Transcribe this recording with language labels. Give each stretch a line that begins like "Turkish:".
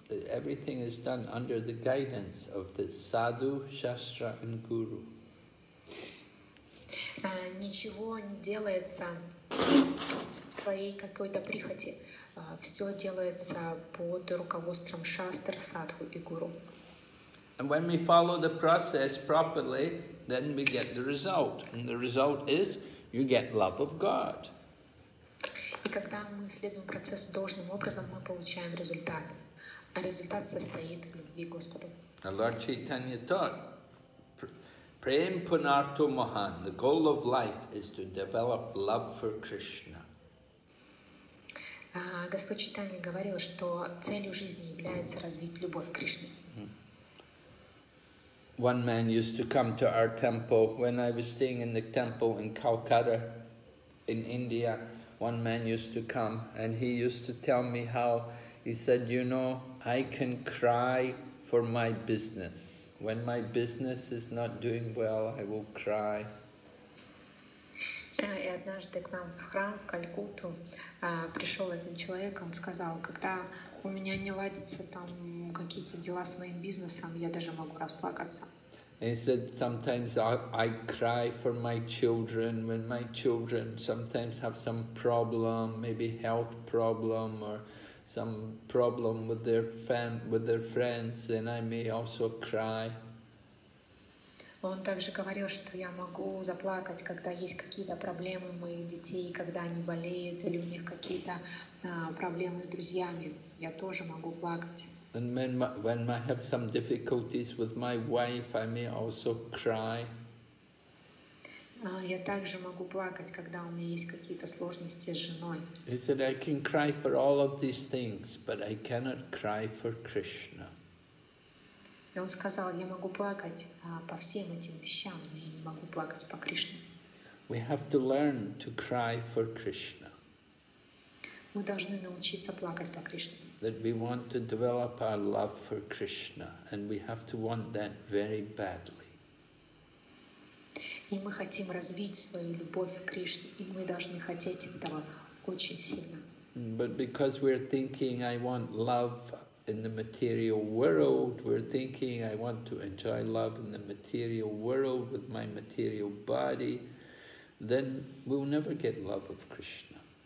English: Everything is done under the guidance of the sadhu, shastra and guru.
Russian: Ничего не делается своей какой-то прихоти. Все делается под руководством шастр, садху и гуру.
English: And when we follow the process properly, then we get the result. And the result is you get love of God.
Russian: И когда мы следуем процессу должным образом, мы получаем результат. А результат состоит в любви Господу.
English: And Lord Chaitanya taught, Prem Punarto Mahan, the goal of life is to develop love for Krishna.
Russian: Господь Чайтанья говорил, что целью жизни является развить любовь к Кришне.
English: One man used to come to our temple when I was staying in the temple in Calcutta, in India. One man used to come and he used to tell me how he said, you know, I can cry for my business. When my business is not doing well, I will cry.
Russian: И однажды к нам в храм, в Калькутту, пришел один человек, он сказал, когда у меня не ладятся там какие-то дела с моим бизнесом, я даже могу расплакаться.
English: He said, sometimes I cry for my children, when my children sometimes have some problem, maybe health problem, or some problem with their friends, then I may also cry.
Russian: Он также говорил, что я могу заплакать, когда есть какие-то проблемы у моих детей, когда они болеют, или у них какие-то проблемы с друзьями. Я тоже могу плакать.
English: And when I have some difficulties with my wife, I may also cry.
Russian: Я также могу плакать, когда у меня есть какие-то сложности с женой.
English: He said, I can cry for all of these things, but I cannot cry for Krishna.
Russian: И он сказал, я могу плакать по всем этим вещам, но я не могу плакать по Кришне.
English: We have to learn to cry for Krishna.
Russian: Мы должны научиться плакать по Кришне.
English: That we want to develop our love for Krishna, and we have to want that very badly.
Russian: И мы хотим развить свою любовь к Кришне, и мы должны хотеть этого очень сильно.
English: But because we're thinking, I want love in the material world, we're thinking, I want to enjoy love in the material world with my material body, then we'll never get love of Krishna.